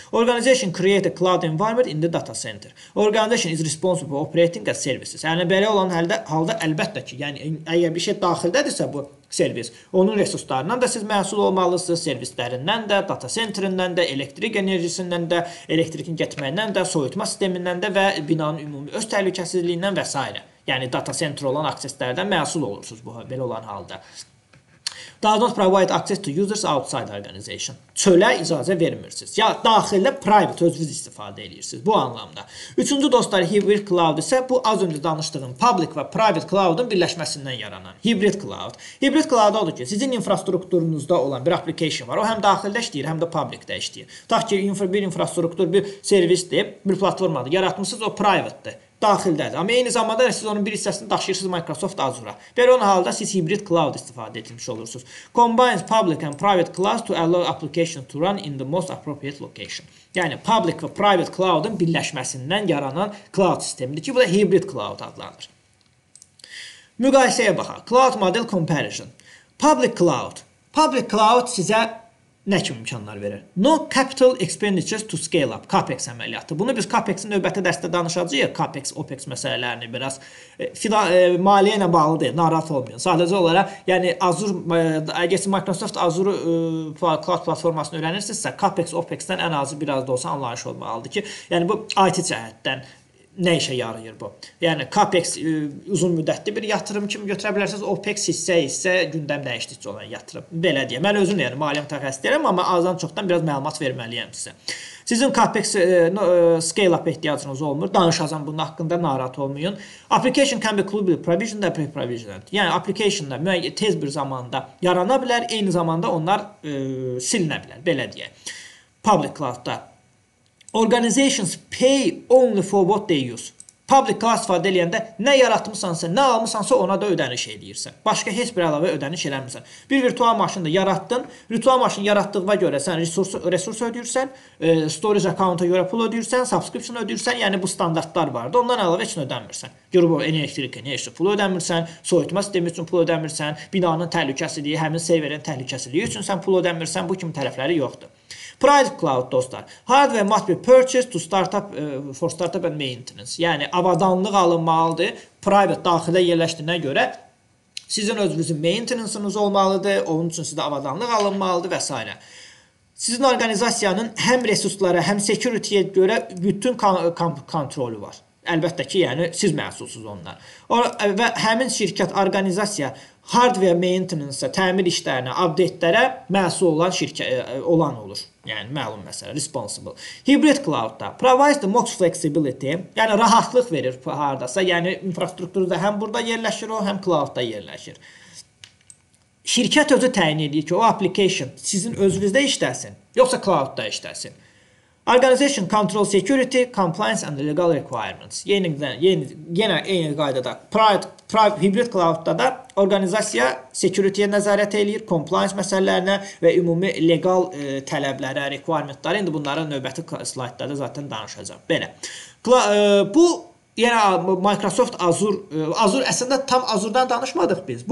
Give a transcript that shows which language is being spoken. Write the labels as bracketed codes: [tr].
[en] Organization created cloud environment in the data center. Organization is responsible for operating as services. [az] Yəni, belə olan halda əlbəttə ki, yəni, əgər bir şey daxildədirsə bu servis, onun resurslarından da siz məsul olmalısınız, servislərindən də, data centrindən də, elektrik enerjisindən də, elektrikin getməyindən də, soyutma sistemindən də və binanın ümumi öz təhlükəsizliyindən və s. Yəni, data center olan akseslərdən məsul olursunuz bu, belə olan halda. [en] Does not provide access to users outside organization. [az] Çölə icazə vermirsiniz. Ya daxildə private özünüz istifadə edirsiniz bu anlamda. Üçüncü dostlar, hybrid cloud isə bu az öncə danışdığım public və private cloud-un birləşməsindən yaranan hybrid cloud. Hybrid cloud odur ki, sizin infrastrukturunuzda olan bir application var. O həm daxildə işləyir, həm də public-də işləyir. Tutaq ki, bir infrastruktur, bir servisdir, bir platformadır. Yaratmışsınız, o private-dir. daxildədir. Amma eyni zamanda siz onun bir hissəsini daşıyırsınız Microsoft Azure-a. Belə onun halda siz hybrid cloud istifadə etmiş olursunuz. [en] Combines public and private clouds to allow applications to run in the most appropriate location. [az] Yəni public və private cloud-un birləşməsindən yaranan cloud sistemidir ki, bu da hybrid cloud adlanır. Müqayisəyə baxaq. [en] Cloud model comparison. Public cloud. Public cloud [az] sizə nə kimi imkanlar verir? [en] No capital expenditures to scale up. [az] CAPEX əməliyyatı. Bunu biz CAPEX-in növbəti dərsdə danışacağıq. CAPEX, OPEX məsələlərini biraz maliyyə ilə bağlı deyil. Narahat olmayın. Sadəcə olaraq, yəni Azure, əgər Microsoft Azure cloud platformasını öyrənirsinizsə, CAPEX, OPEX-dən ən azı biraz da olsa anlayış olmalıdır ki, yəni bu IT cəhətdən nə işə yarayır bu? Yəni CAPEX uzun müddətli bir yatırım kimi götürə bilərsiniz, OPEX isə gündəm dəyişdikcə olan yatırım. Belə deyə. Mən özüm yəni maliyyə mütəxəssisiyəm, amma azdan çoxdan biraz məlumat verməliyəm sizə. Sizin CAPEX scale up ehtiyacınız olmur. Danışacağam bunun haqqında, narahat olmayın. [en] Application can be globally provisioned and pre-provisioned. [az] Yəni application-da tez bir zamanda yarana bilər, eyni zamanda onlar silinə bilər. Belə deyə. [en] Public cloud-da organizations pay only for what they use. [az] Public cloud ifadə edəndə nə yaratmısansa, nə almısansa ona da ödəniş edirsən. Başqa heç bir əlavə ödəniş eləmirsən. Bir virtual maşını yaratdın. Virtual maşını yaratdığına görə sən resurs ödəyirsən, storage account-a görə pul ödəyirsən, subscription ödəyirsən. Yəni bu standartlar var da, ondan əlavə heç nə ödəmirsən. Qurubu elektrik, neçə pul ödəmirsən, soyutma sistemi üçün pul ödəmirsən, binanın təhlükəsizliyi, həmin serverin təhlükəsizliyi üçün sən pul ödəmirsən. Bu kimi tərəfləri yoxdur. Private cloud dostlar. [en] Hardware must be purchased to startup for startup and maintenance. [az] Yəni avadanlıq alınmalıdır. Private daxilə yerləşdirənə görə sizin özünüzün maintenance-ınız olmalıdır. Onun üçün sizə avadanlıq alınmalıdır və s. Sizin orqanizasiyanın həm resurslara, həm security-yə görə bütün kontrolü var. Əlbəttə ki, yəni siz məsulsuz onlar. Və həmin şirkət, orqanizasiya hardware maintenance-a, təmir işlərinə, update-lərə məsul olan şirkət olan olur. Yəni məlum məsələ responsible. Hybrid cloud-da [en] provides the most flexibility, [az] yəni rahatlıq verir hardasa, yəni infrastrukturu da həm burada yerləşir o, həm cloud-da yerləşir. Şirkət özü təyin edir ki, o application sizin özünüzdə işləsin, yoxsa cloud-da işləsin. [en] Organization control security, compliance and legal requirements. [az] Yenə qaydada hybrid cloud-da da organizasiya security-yə nəzarət eləyir, compliance məsələlərinə və ümumi legal tələblərə, requirementlərə. İndi bunları növbəti slaytlarda zaten danışacağım. Belə. Bu yəni Microsoft Azure əslində tam Azure-dan danışmadıq biz.